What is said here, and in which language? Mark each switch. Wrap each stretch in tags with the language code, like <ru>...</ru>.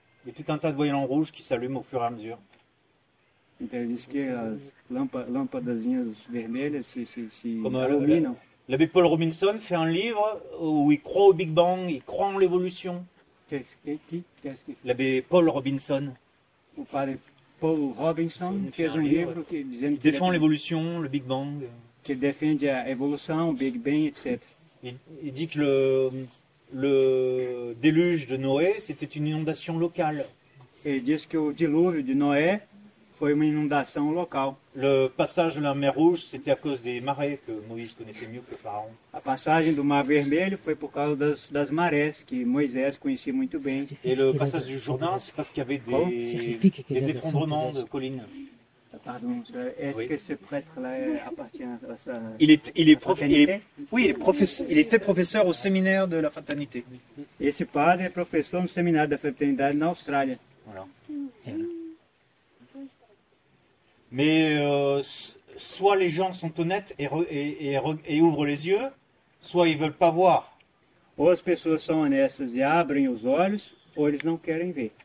<fr>Il y a tout un tas de voyants rouges qui s'allument au fur et à mesure. Donc, ils disent que les</fr> <pt>lampadazinhas vermelhas</pt> <fr>s'illuminent. L'abbé Paul Robinson fait un livre où il croit au Big Bang, il croit en l'évolution. Qu'est-ce que... L'abbé Paul Robinson. Vous parlez...</fr> <pt>Paul Robinson fez um livro que dizendo que defende a evolução, o Big Bang. Que defende a evolução, o Big Bang, etc. Ele diz que o</pt> <fr>deluge de Noé c'était une</fr> <pt>inondação local. Ele diz que o dilúvio de Noé foi uma inundação local.</pt> <fr>Le passage de la mer rouge c'était à cause des marées que Moïse connaissait mieux que Pharaon.</fr> <pt>A passagem do mar vermelho foi por causa das marés que Moisés conhecia muito bem. E o</pt> <fr>passage</fr> <pt>do Jordão,</pt> <fr>c'est parce qu'il y avait des effondrements de colines. A pardon, est-ce que ce prêtre-là appartient à sa... Il était professeur au séminaire de la fraternité. Et ce padre est professeur au séminaire de la fraternité en Australie. Voilà. Mais soit les gens sont honnêtes et ouvrent les yeux, soit ils ne veulent pas voir.</fr> <pt>Ou as pessoas são honestas e abrem os olhos, ou eles não querem ver.</pt>